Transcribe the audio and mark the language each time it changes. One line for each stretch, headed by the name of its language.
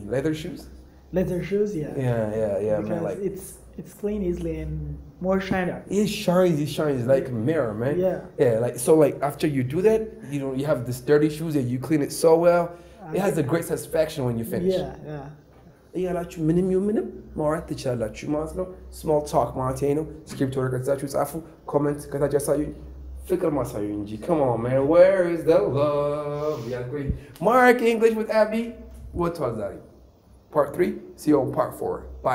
English: Leather shoes? Leather shoes, yeah. Yeah, because man. Like, it's clean easily and more shiner. It shines like a mirror, man. Yeah. Yeah, like, so like after you do that, you know, you have this dirty shoes and you clean it so well. It has a great satisfaction when you finish. Yeah.
Amharic: እያላችሁ ምንም ማውራት ትችላላችሁ ማለት ነው። Small talk ማለት ነው። ስክሪፕት ወርቀታችሁ ጻፉ፣ ኮሜንት ከታች አሳዩኝ፣ ፍቅር ማሳዩ እንጂ።
English: Come on, man. Where is the love? Mark English with Abby. What was that? Part 3? See you on part 4. Bye.